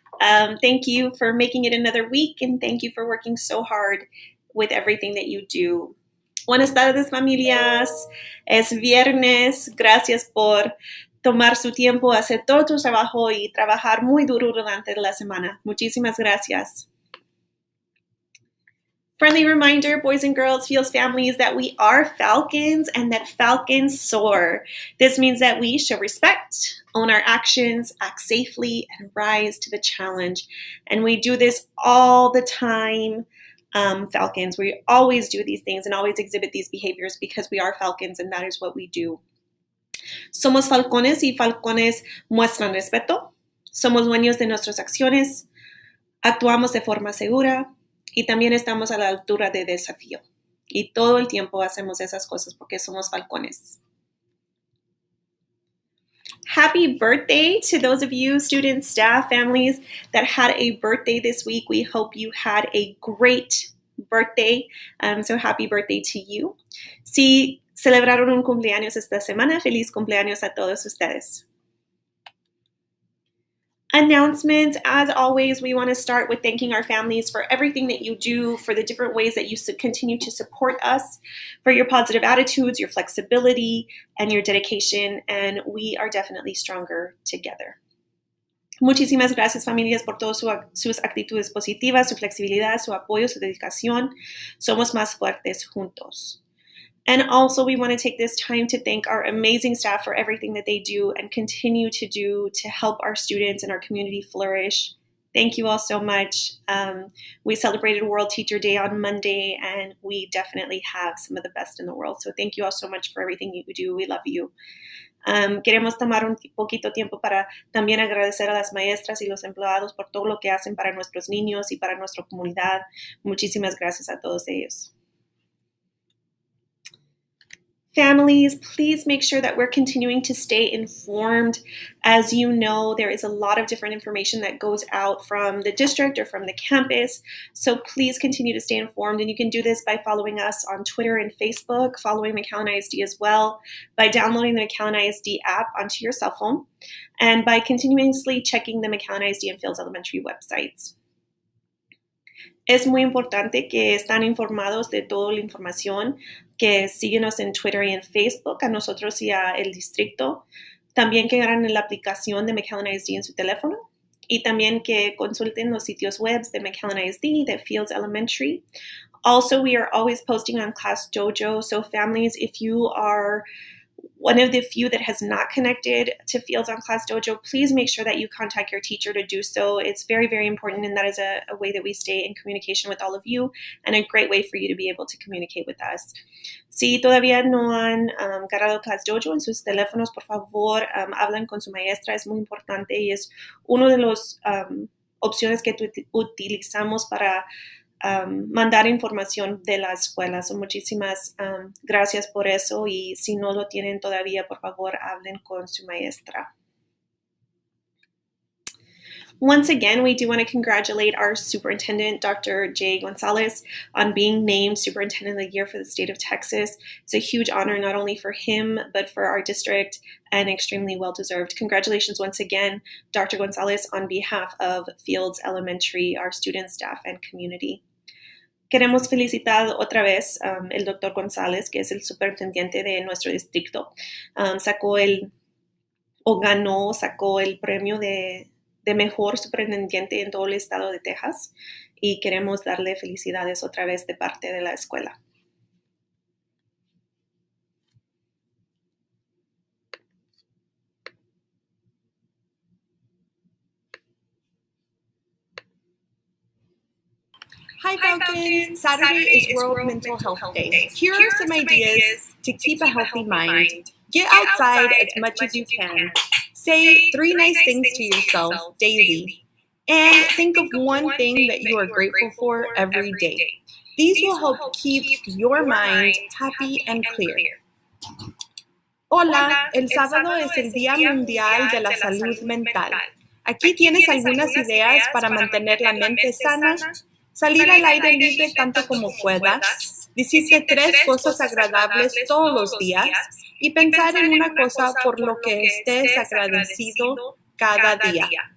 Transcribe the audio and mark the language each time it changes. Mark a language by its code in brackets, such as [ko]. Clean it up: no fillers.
[en] Thank you for making it another week, and thank you for working so hard with everything that you do. [es] Buenas tardes, familias. Es viernes. Gracias por tomar su tiempo, hacer todo tu trabajo y trabajar muy duro durante la semana. Muchísimas gracias. [en] Friendly reminder, boys and girls, heels families, that we are falcons and that falcons soar. This means that we show respect, own our actions, act safely, and rise to the challenge. And we do this all the time, falcons. We always do these things and always exhibit these behaviors because we are falcons and that is what we do. [es] Somos falcones y falcones muestran respeto. Somos dueños de nuestras acciones. Actuamos de forma segura. Y también estamos a la altura de desafío. Y todo el tiempo hacemos esas cosas porque somos falcones. [en] Happy birthday to those of you, students, staff, families that had a birthday this week. We hope you had a great birthday. So happy birthday to you. [es] Si celebraron un cumpleaños esta semana, feliz cumpleaños a todos ustedes. [en] Announcements. As always, we want to start with thanking our families for everything that you do, for the different ways that you continue to support us, for your positive attitudes, your flexibility, and your dedication. And we are definitely stronger together. [es] Muchísimas gracias, familias, por todas sus actitudes positivas, su flexibilidad, su apoyo, su dedicación. Somos más fuertes juntos. [en] And also, we want to take this time to thank our amazing staff for everything that they do and continue to do to help our students and our community flourish. Thank you all so much. We celebrated World Teacher Day on Monday, and we definitely have some of the best in the world. So thank you all so much for everything you do. We love you. [es] Queremos tomar un poquito tiempo para también agradecer a las maestras y los empleados por todo lo que hacen para nuestros niños y para nuestra comunidad. Muchísimas gracias a todos ellos. [en] Families, please make sure that we're continuing to stay informed. As you know, there is a lot of different information that goes out from the district or from the campus. So please continue to stay informed. And you can do this by following us on Twitter and Facebook, following McAllen ISD as well, by downloading the McAllen ISD app onto your cell phone, and by continuously checking the McAllen ISD and Fields Elementary websites. [es] Es muy importante que están informados de toda la información que síguenos en Twitter y en Facebook, a nosotros y a el distrito. También que agarren la aplicación de McAllen ISD en su teléfono y también que consulten los sitios web de McAllen ISD y de Fields Elementary. [en] Also, we are always posting on ClassDojo. So families, if you are one of the few that has not connected to Fields on ClassDojo, please make sure that you contact your teacher to do so. It's very, very important, and that is a way that we stay in communication with all of you and a great way for you to be able to communicate with us. [es] Si todavía no han cargado ClassDojo en sus teléfonos, por favor, hablen con su maestra. Es muy importante y es una de las opciones que utilizamos para mandar información de la escuela. So muchísimas gracias por eso y si no lo tienen todavía, por favor, hablen con su maestra. [en] Once again, we do want to congratulate our superintendent, Dr. Jay Gonzalez, on being named Superintendent of the Year for the state of Texas. It's a huge honor, not only for him, but for our district, and extremely well-deserved. Congratulations once again, Dr. Gonzalez, on behalf of Fields Elementary, our students, staff, and community. [es] Queremos felicitar otra vez el doctor González, que es el superintendente de nuestro distrito. Sacó el premio de mejor superintendente en todo el estado de Texas y queremos darle felicidades otra vez de parte de la escuela. [en] Hi, Falcons. Saturday is World Mental Health Day. Here are some ideas to keep a healthy mind. Get outside as much as you can. Say three nice things to yourself daily. And think of one thing that you are grateful for every day. These will help keep your mind happy and clear. [es] Hola, el sábado es el Día Mundial de la Salud Mental. Aquí tienes algunas ideas para mantener la mente sana. Salir al aire libre tanto como puedas, Visite tres cosas agradables todos los días y pensar en una cosa por lo que estés agradecido cada día.